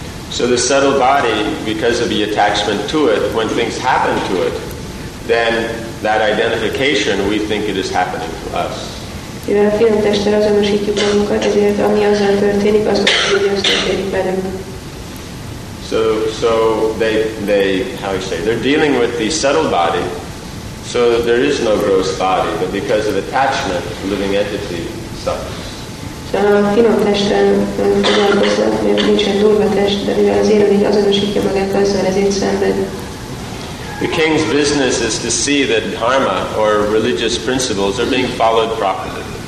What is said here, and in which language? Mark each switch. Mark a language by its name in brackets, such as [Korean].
[English] So the subtle body, because of the attachment to it, when things happen to it, then that identification, we think it is happening to us. [Hungarian] Mivel a finom testtel azonosítjuk magunkat, ezért ami azzal történik, azt mondjuk, hogy az történik velünk. [English] So they they're dealing with the subtle body, so there is no gross body, but because of attachment, living entity suffers. [Hungarian] Szóval a finom testtel foglalkoznak, mert nincsen durva test, de mivel az élőlény azonosítja magát azzal, ezért szenved. [English] The king's business is to see that dharma or religious principles are being followed properly.